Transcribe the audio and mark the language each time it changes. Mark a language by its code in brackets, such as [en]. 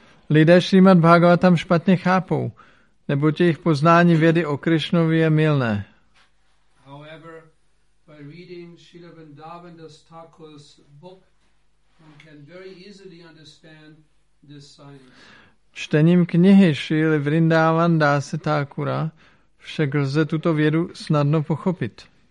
[cs] Lidé Srimad Bhagavatam špatně chápou, neboť jejich poznání vědy o Krišnovi je mylné. [en] However, by reading Srila Vrindavanadas Thakur's book, one can very easily understand this science. [cs] Čtením knihy Srila Vrindavanadas Thakura však lze tuto vědu snadno pochopit.